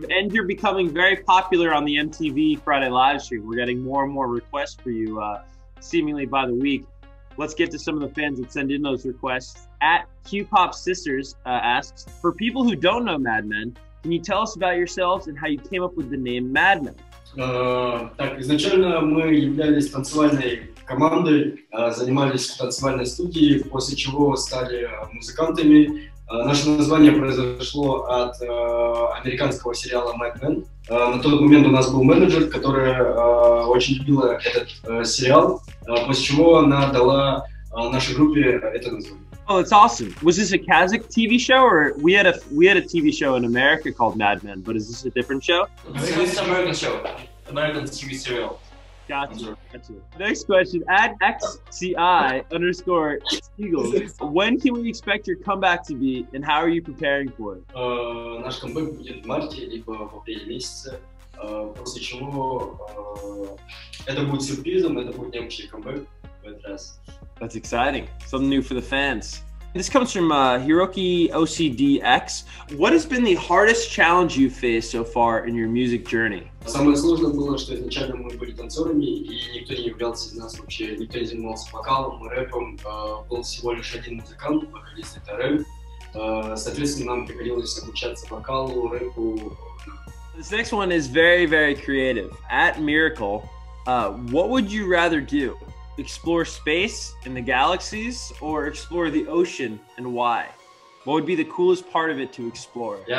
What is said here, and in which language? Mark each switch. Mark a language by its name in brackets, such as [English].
[English] And you're becoming very popular on the MTV Friday livestream. We're getting more and more requests for you, seemingly by the week. Let's get to some of the fans that send in those requests. At QPOP Sisters asks, for people who don't know Mad Men, can you tell us about yourselves and how you came up with the name Mad Men? [Russian] Изначально мы являлись танцевальной командой, занимались в танцевальной студии, после чего стали музыкантами. Наше название произошло от американского сериала Mad Men. На тот момент у нас был менеджер, которая очень любила этот сериал, после чего она дала нашей группе это название. [English] Oh, that's awesome. Was this a Kazakh TV show, or we had a TV show in America called Mad Men, but is this a different show? This is an American show, American TV serial. Gotcha. Next question, at @XCI_Spiegel, when can we expect your comeback to be, and how are you preparing for it? [Russian] Наш камбэк будет в марте, либо в апреле месяце, после чего это будет сюрпризом, это будет необычный камбэк. [English] That's exciting. Something new for the fans. This comes from Hiroki OCDX. What has been the hardest challenge you've faced so far in your music journey? [Russian] Самое сложное было, что изначально мы были танцорами, и никто не являлся из нас вообще. Никто не занимался вокалом, рэпом. Был всего лишь один музыкант, вокалист это рэп. Соответственно, нам приходилось обучаться вокалу, рэпу. [English] This next one is very, very creative. At Miracle, what would you rather do? Explore space in the galaxies or explore the ocean and why? What would be the coolest part of it to explore?